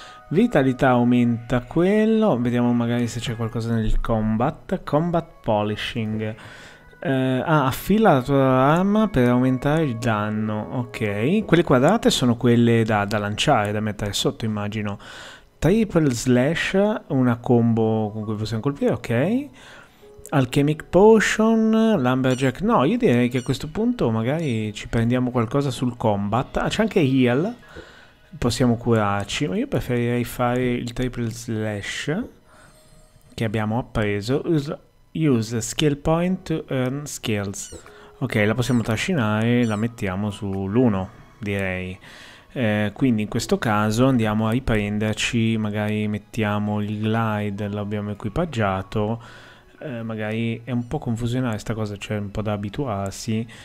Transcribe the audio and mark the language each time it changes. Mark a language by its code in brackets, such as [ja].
[it] Vitalità aumenta quello. Vediamo magari se c'è qualcosa nel combat. Combat polishing. Affila la tua arma per aumentare il danno. Ok, quelle quadrate sono quelle da lanciare, da mettere sotto, immagino. Triple slash, una combo con cui possiamo colpire. Ok, alchemic potion, lumberjack. No, io direi che a questo punto magari ci prendiamo qualcosa sul combat. Ah, c'è anche heal, possiamo curarci, ma io preferirei fare il triple slash che abbiamo appreso. [en] Use skill point to earn skills. [it] Ok, la possiamo trascinare, la mettiamo sull'1, direi. Quindi in questo caso andiamo a riprenderci, magari mettiamo il glide, l'abbiamo equipaggiato. Magari è un po' confusionale questa cosa, c'è un po' da abituarsi.